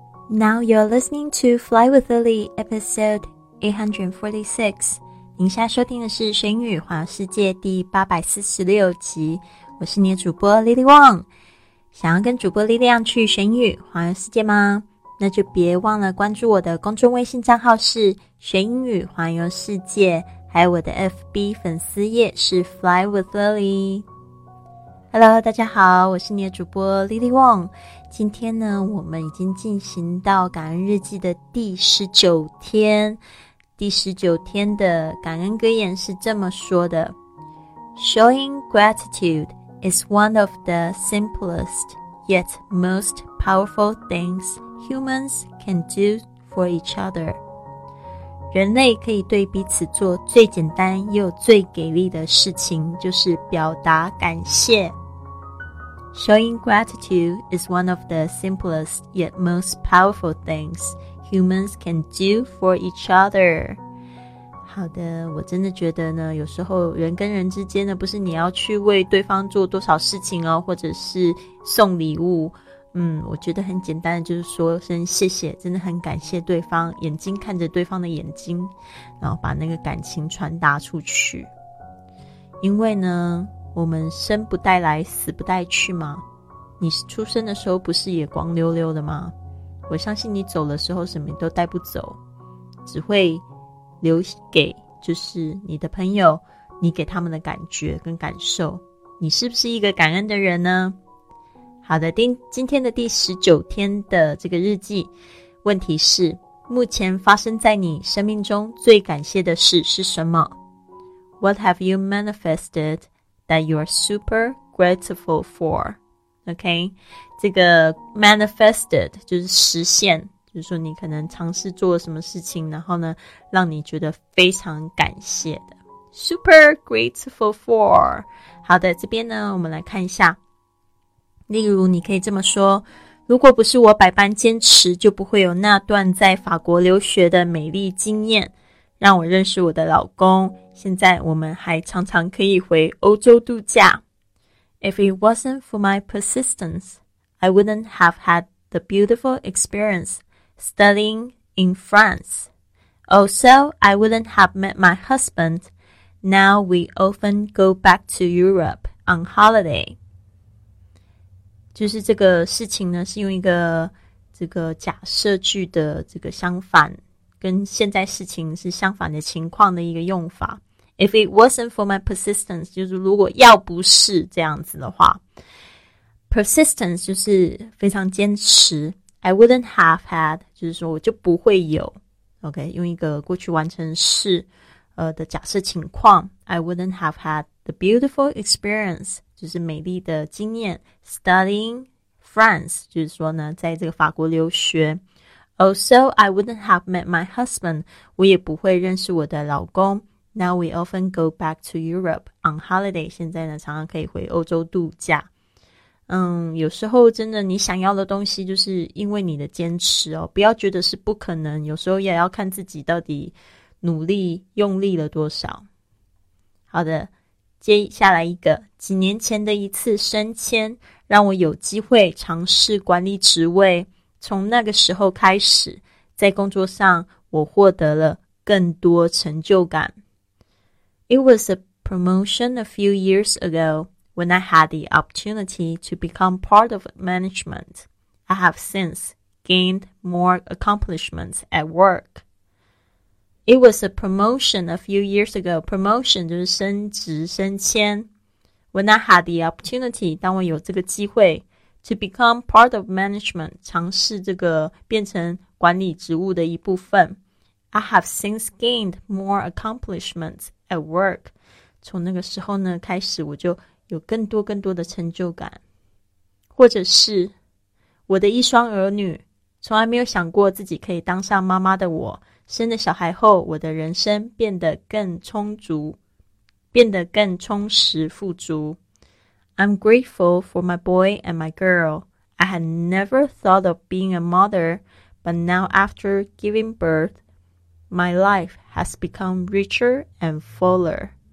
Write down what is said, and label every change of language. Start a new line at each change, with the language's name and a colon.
English: Now you're listening to Fly with Lily, episode 846.
Chinese: 您现在收听的是《学英语环游世界》第846集。我是你的主播 Lily Wong。想要跟主播力量去学英语环游世界吗？那就别忘了关注我的公众微信账号是《学英语环游世界》，还有我的 FB 粉丝页是 Fly with Lily。 Hello， 大家好，我是你的主播 Lily Wong。今天呢，我们已经进行到感恩日记的第19天。第19天的感恩格言是这么说的：
English: Showing gratitude is one of the simplest yet most powerful things humans can do for each other.
Chinese: 人类可以对彼此做最简单又最给力的事情，就是表达感谢。
English: Showing gratitude is one of the simplest yet most powerful things humans can do for each other.
Chinese: 好的，我真的觉得呢，有时候人跟人之间呢，不是你要去为对方做多少事情哦，或者是送礼物。我觉得很简单的就是说声谢谢，真的很感谢对方，眼睛看着对方的眼睛，然后把那个感情传达出去。因为呢，我们生不带来死不带去嘛，你出生的时候不是也光溜溜的吗？我相信你走的时候什么都带不走，只会留给就是你的朋友，你给他们的感觉跟感受。你是不是一个感恩的人呢？好的，今天的第19天的这个日记问题是，目前发生在你生命中最感谢的事是什么？
English: What have you manifestedThat you are super grateful for.
Chinese: OK, 这个 manifested 就是实现，就是说你可能尝试做什么事情，然后呢让你觉得非常感谢的。
English: Super grateful for.
Chinese: 好的，这边呢我们来看一下。例如你可以这么说，如果不是我百般坚持，就不会有那段在法国留学的美丽经验，让我认识我的老公，现在我们还常常可以回欧洲度假。
English: If it wasn't for my persistence, I wouldn't have had the beautiful experience studying in France. Also, I wouldn't have met my husband. Now we often go back to Europe on holiday.
Chinese: 就是这个事情呢，是用一个这个假设句的这个相反，跟现在事情是相反的情况的一个用法。
English: If it wasn't for my persistence,
Chinese: 就是如果要不是这样子的话， persistence 就是非常坚持，
English: I wouldn't have had,
Chinese: 就是说我就不会有， OK, 用一个过去完成式的假设情况，
English: I wouldn't have had the beautiful experience,
Chinese: 就是美丽的经验，
English: studying France,
Chinese: 就是说呢在这个法国留学。
English: Also, I wouldn't have met my husband.
Chinese: 我也不会认识我的老公。
English: Now we often go back to Europe on holiday.
Chinese: 现在呢，常常可以回欧洲度假。有时候真的你想要的东西就是因为你的坚持哦，不要觉得是不可能。有时候也要看自己到底努力用力了多少。好的，接下来一个，几年前的一次升迁让我有机会尝试管理职位。从那个时候开始，在工作上我获得了更多成就感。
English: It was a promotion a few years ago when I had the opportunity to become part of management. I have since gained more accomplishments at work. It was a promotion a few years ago.
Chinese: Promotion 就是升职升迁。
English: When I had the opportunity,
Chinese: 当我有这个机会，
English: To become part of management,
Chinese: 尝试这个变成管理职务的一部分。
English: I have since gained more accomplishments at work.
Chinese: 从那个时候呢开始，我就有更多更多的成就感。或者是我的一双儿女，从来没有想过自己可以当上妈妈的我，生了小孩后，我的人生变得更充足，变得更充实富足。
English: I'm grateful for my boy and my girl. I had never thought of being a mother, but now after giving birth, my life has become richer and fuller.